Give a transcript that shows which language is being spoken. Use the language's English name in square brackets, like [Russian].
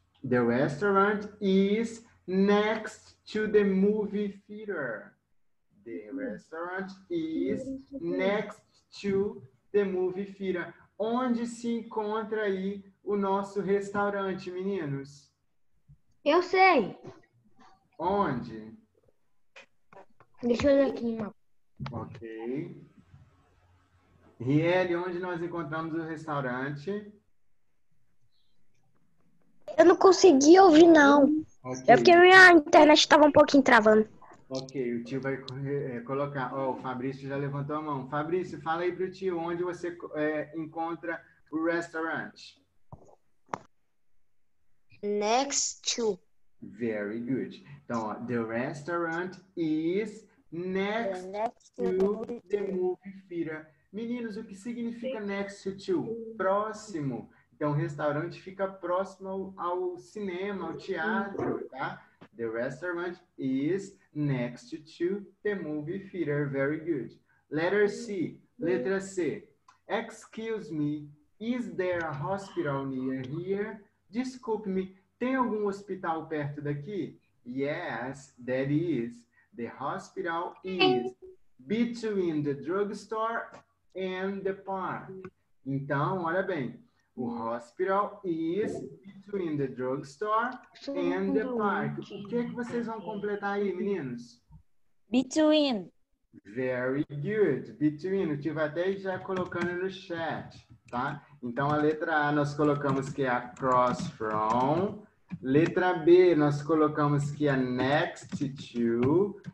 [English] The restaurant is next to the movie theater. The restaurant is next to the movie theater. [Portuguese] Onde se encontra aí o nosso restaurante, meninos? Eu sei. Onde? Deixa eu ver aqui. Ok. Riele, onde nós encontramos o restaurante? Eu não consegui ouvir, não. Okay. É porque minha internet estava um pouquinho travando. Ok, o tio vai colocar. Ó, o Fabrício já levantou a mão. Fabrício, fala aí pro tio onde você encontra o restaurante. [English] Next to. Very good. [Portuguese] Então, ó, [English] the restaurant is next to the movie theater. [Portuguese] Meninos, o que significa next to? Próximo. Então, o restaurante fica próximo ao cinema, ao teatro, tá? [English] The restaurant is next to the movie theater. Very good. Letter C. [Portuguese] Letra C. [English] Excuse me, is there a hospital near here? [Portuguese] Desculpe-me, tem algum hospital perto daqui? [English] Yes, there is. The hospital is between the drugstore and the park. [Portuguese] Então, olha bem. O hospital [English] is between the drugstore and the park. [Portuguese] O que é que vocês vão completar aí, meninos? [English] Between. Very good. [Portuguese] Between. Eu tive até já colocando no chat, tá? Então, a letra A nós colocamos que é across from. Letra B nós colocamos que é next to.